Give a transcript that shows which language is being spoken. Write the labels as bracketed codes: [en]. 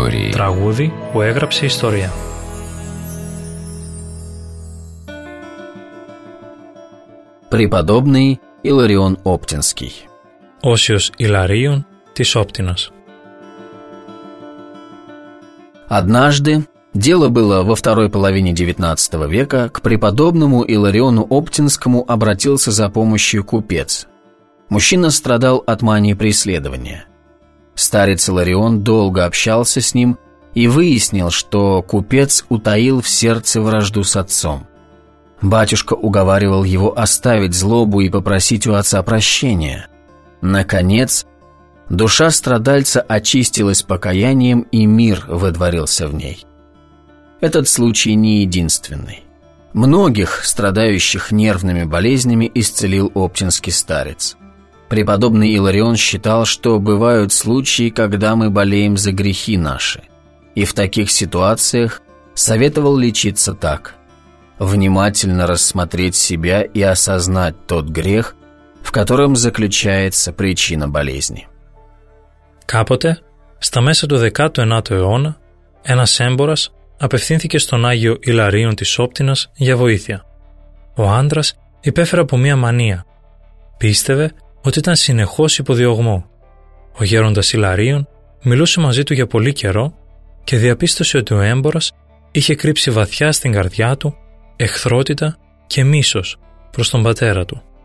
[el] Τραγούδι που έγραψε ιστορία. [ru] Преподобный Иларион Оптинский. [el] Όσιος Иларион της Оптινας. [ru] Однажды, дело было во второй половине XIX века, к преподобному Илариону Оптинскому обратился за помощью купец. Мужчина страдал от мании преследования. Старец Иларион долго общался с ним и выяснил, что купец утаил в сердце вражду с отцом. Батюшка уговаривал его оставить злобу и попросить у отца прощения. Наконец, душа страдальца очистилась покаянием, и мир водворился в ней. Этот случай не единственный. Многих страдающих нервными болезнями исцелил оптинский старец. Преподобный Иларион считал, что бывают случаи, когда мы болеем за грехи наши, и в таких ситуациях советовал лечиться так: внимательно рассмотреть себя и осознать тот грех, в котором заключается причина болезни. [el] Κάποτε, στα μέσα του 19ου αιώνα, ένας έμπορας απευθύνθηκε στον Άγιο Ιλαρίον της Όπτινας για βοήθεια. Ο άντρας υπέφερε από μία μανία. Πίστευε ότι ήταν συνεχώς υποδιωγμό. Ο γέροντας Ιλαρίον μιλούσε μαζί του για πολύ καιρό και διαπίστωσε ότι ο έμπορας είχε κρύψει βαθιά στην καρδιά του εχθρότητα και μίσος προς τον πατέρα του.